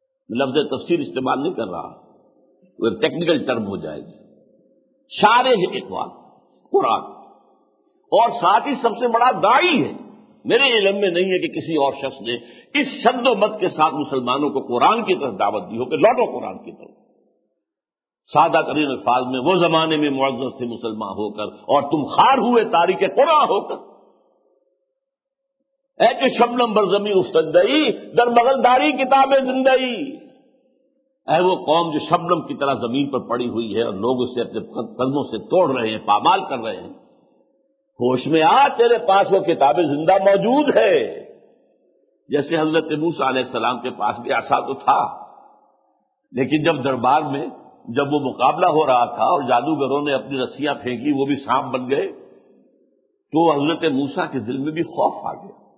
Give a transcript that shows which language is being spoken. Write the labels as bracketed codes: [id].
[ur] لفظ تفسیر استعمال نہیں کر رہا، وہ ایک ٹیکنیکل ٹرم ہو جائے گی، شارح اقبال قرآن، اور ساتھ ہی سب سے بڑا داعی ہے. میرے علم میں نہیں ہے کہ کسی اور شخص نے اس شد و مت کے ساتھ مسلمانوں کو قرآن کی طرف دعوت دی ہو کہ لوٹو قرآن کی طرف. سادہ ترین الفاظ میں، وہ زمانے میں معزز تھے مسلمان ہو کر اور تم خار ہوئے تاریخ قرآن ہو کر. [fa] اے کہ شبنم بر زمین افتدئی، در بغل داری کتاب زندگی. [ur] اے وہ قوم جو شبنم کی طرح زمین پر پڑی ہوئی ہے اور لوگ اسے اپنے قدموں سے توڑ رہے ہیں، پامال کر رہے ہیں، ہوش میں آ، تیرے پاس وہ کتاب زندہ موجود ہے. جیسے حضرت موسیٰ علیہ السلام کے پاس بھی عصا تو تھا، لیکن جب دربار میں جب وہ مقابلہ ہو رہا تھا اور جادوگروں نے اپنی رسیاں پھینکی، وہ بھی سانپ بن گئے، تو حضرت موسیٰ کے دل میں بھی خوف آ گیا.